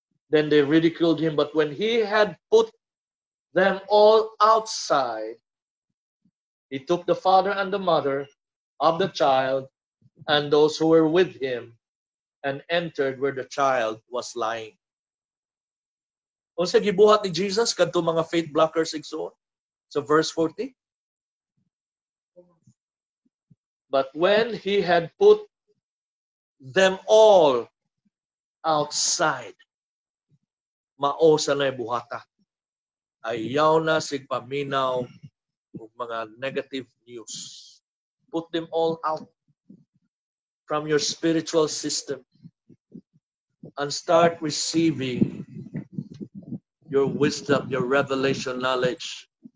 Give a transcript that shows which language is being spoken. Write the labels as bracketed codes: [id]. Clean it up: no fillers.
[en] Then they ridiculed him, but when he had put them all outside, he took the father and the mother of the child and those who were with him and entered where the child was lying. [ceb] Unsa gibuhat ni Jesus kadto mga faith blockers igsoon? [en] So verse 40. But when he had put them all outside, [ceb] mausa na ibuhata. Ayaw na sigpaminaw ug mga negative news. [en] Put them all out from your spiritual system and start receiving your wisdom, your revelation knowledge.